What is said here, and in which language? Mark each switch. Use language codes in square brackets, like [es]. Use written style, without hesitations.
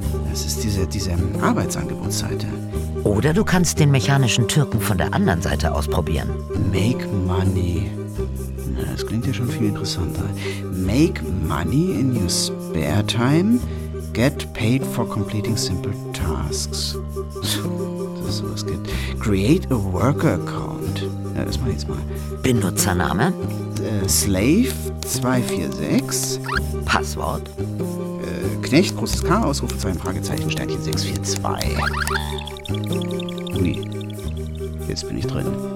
[de] Das ist diese Arbeitsangebotsseite. Oder du kannst den mechanischen Türken von der anderen Seite ausprobieren. [en] Make money. [de] Na, das klingt ja schon viel interessanter. [en] Make money in your spare time. Get paid for completing simple tasks. [de] Das ist sowas gibt. [en] Create a worker account. [de] Ja, das mach ich jetzt mal. Benutzername. [en] Slave 246. [de] Passwort. Knecht, großes K, Ausrufezeichen, Fragezeichen, Sternchen 642. Ui, jetzt bin ich drin.